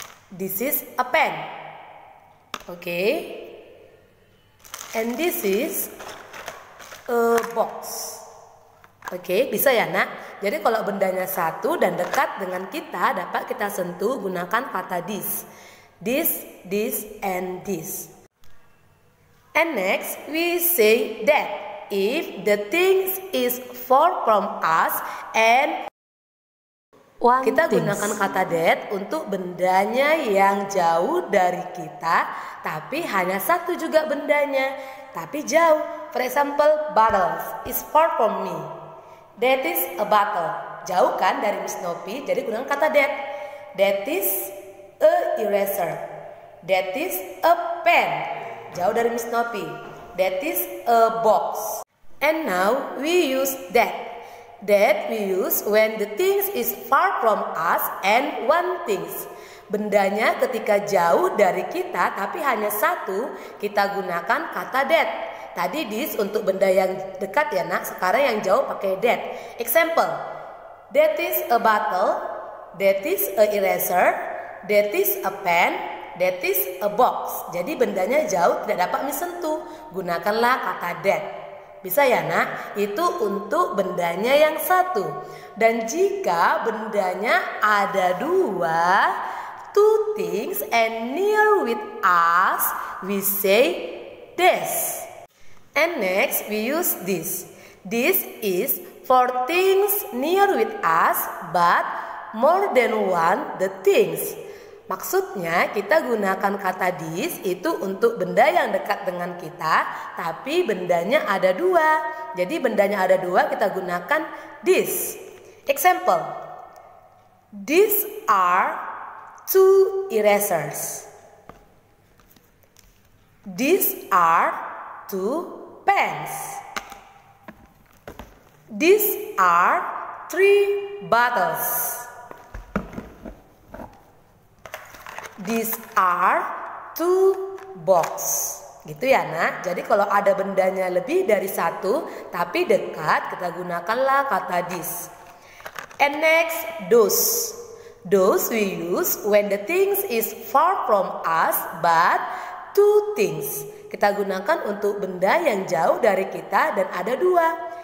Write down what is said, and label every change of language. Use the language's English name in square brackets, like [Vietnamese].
[English] This is a pen. Okay. And this is a box. [Indonesian] Okay, bisa ya nak? Jadi kalau bendanya satu dan dekat dengan kita, dapat kita sentuh, gunakan kata this. [English] This, this, and this. And next, we say that if the things is far from us and one [Indonesian] kita [English] things. [Indonesian] Gunakan kata that untuk bendanya yang jauh dari kita, tapi hanya satu juga bendanya, tapi jauh. [English] For example, bottles is far from me. That is a bottle. [Indonesian] Jauh kan dari Miss Nopi, jadi gunakan kata that. [English] That is a eraser. That is a pen. [Indonesian] Jauh dari Miss Nopi. [English] That is a box. And now we use that. That we use when the things is far from us and one things. [Indonesian] Bendanya ketika jauh dari kita tapi hanya satu, kita gunakan kata that. Tadi this untuk benda yang dekat ya nak, sekarang yang jauh pakai that. [English] Example, that is a bottle. That is a eraser. That is a pen, that is a box. [Indonesian] Jadi bendanya jauh tidak dapat disentuh. Gunakanlah kata that. Bisa ya nak? Itu untuk bendanya yang satu. Dan jika bendanya ada dua, [English] two things and near with us, we say this. And next we use this. This is for things near with us but more than one the things. [Indonesian] Maksudnya kita gunakan kata dis itu untuk benda yang dekat dengan kita, tapi bendanya ada dua. Jadi bendanya ada dua kita gunakan dis. [English] Example, these are two erasers. These are two pens. These are three bottles. These are two box. [Indonesian] Gitu ya, Nak. Jadi kalau ada bendanya lebih dari satu tapi dekat, kita gunakanlah kata this. [English] And next, those. Those we use when the things is far from us but two things. [Indonesian] Kita gunakan untuk benda yang jauh dari kita dan ada dua.